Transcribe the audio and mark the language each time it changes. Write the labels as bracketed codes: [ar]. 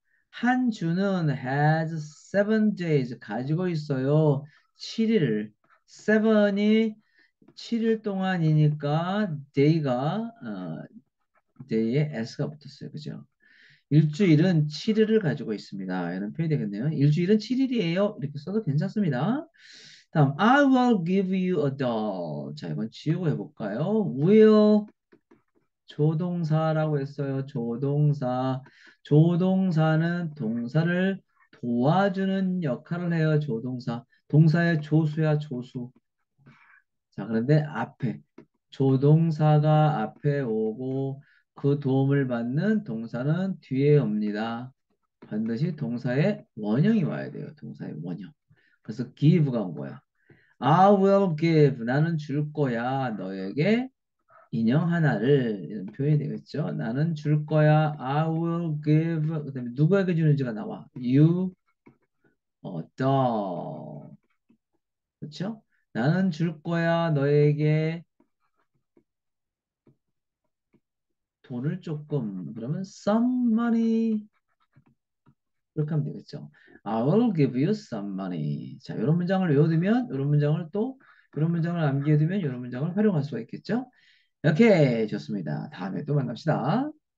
[ko] 한 주는 [en] has 7 days. [ko] 가지고 있어요. 7일. 7이 7일 동안이니까 데이가 데이에 s가 붙었어요. 그죠? 일주일은 7일을 가지고 있습니다. 이런 표현이 되겠네요. 일주일은 7일이에요. 이렇게 써도 괜찮습니다. 다음 [en] I will give you a doll. [ko] 자, 이번 지우고 해볼까요? Will 조동사라고 했어요. 조동사. 조동사는 동사를 도와주는 역할을 해요. 조동사. 동사의 조수야, 조수. 자, 그런데 앞에 조동사가 앞에 오고 그 도움을 받는 동사는 뒤에 옵니다. 반드시 동사의 원형이 와야 돼요. 동사의 원형. 그래서 give가 온 거야. [en] I will give. [ko] 나는 줄 거야. 너에게 인형 하나를. 이런 표현이 되겠죠. 나는 줄 거야. [en] I will give. [ko] 그다음에 누구에게 주는지가 나와. [en] You a doll. 그렇죠? [ko] 나는 줄 거야. 너에게 돈을 조금. 그러면 [en] some money. [ko] 이렇게 하면 되겠죠. [en] I will give you some money. [ko] 자, 이런 문장을 외워두면 이런 문장을 또 이런 문장을 남겨두면 이런 문장을 활용할 수가 있겠죠. 오케이, 좋습니다. 다음에 또 만납시다.